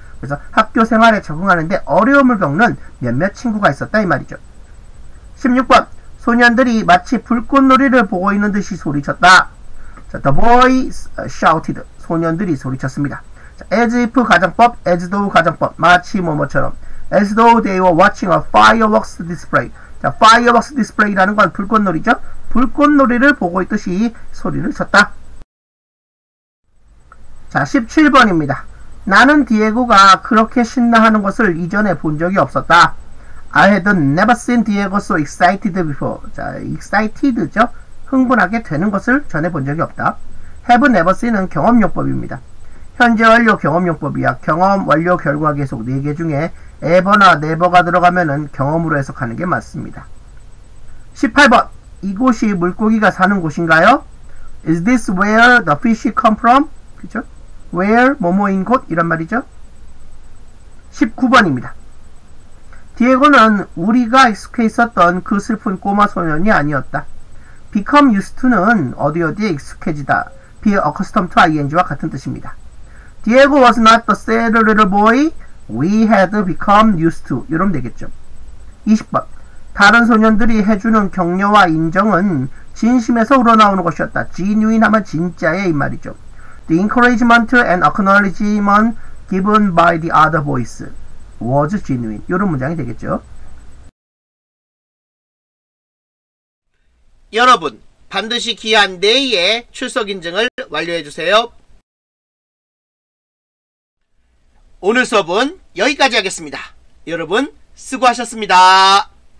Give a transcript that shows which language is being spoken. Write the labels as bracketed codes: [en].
[ko] 그래서 학교생활에 적응하는데 어려움을 겪는 몇몇 친구가 있었다 이 말이죠. 16번. 소년들이 마치 불꽃놀이를 보고 있는 듯이 소리쳤다. [en] The boys shouted. [ko] 소년들이 소리쳤습니다. [en] As if [ko] 가정법, [en] as though [ko] 가정법, 마치 뭐뭐처럼. [en] As though they were watching a fireworks display. [ko] 자, fireworks display라는 건 불꽃놀이죠. 불꽃놀이를 보고 있듯이 소리를 쳤다. 자, 17번입니다. 나는 디에고가 그렇게 신나하는 것을 이전에 본 적이 없었다. [en] I had never seen Diego so excited before. 자, excited죠. [ko] 흥분하게 되는 것을 전해 본 적이 없다. [en] Have never seen [ko] 은 경험용법입니다. 현재 완료 경험용법이야. 경험 완료 결과 계속 4개 중에 ever나 never가 들어가면은 경험으로 해석하는 게 맞습니다. 18번. 이곳이 물고기가 사는 곳인가요? [en] Is this where the fish come from? 그죠? Where, [ko] 뭐뭐인 곳? 이란 말이죠. 19번입니다. 디에고는 우리가 익숙해 있었던 그 슬픈 꼬마 소년이 아니었다. [en] Become used to [ko] 는 어디 어디에 익숙해지다. [en] Be accustomed to ing [ko] 와 같은 뜻입니다. [en] Diego was not the sad little boy we had become used to. [ko] 이러면 되겠죠. 20번. 다른 소년들이 해주는 격려와 인정은 진심에서 우러나오는 것이었다. Genuine 하면 진짜의 이 말이죠. [en] The encouragement and acknowledgement given by the other boys was genuine. [ko] 이런 문장이 되겠죠. 여러분, 반드시 기한 내에 출석 인증을 완료해 주세요. 오늘 수업은 여기까지 하겠습니다. 여러분, 수고하셨습니다.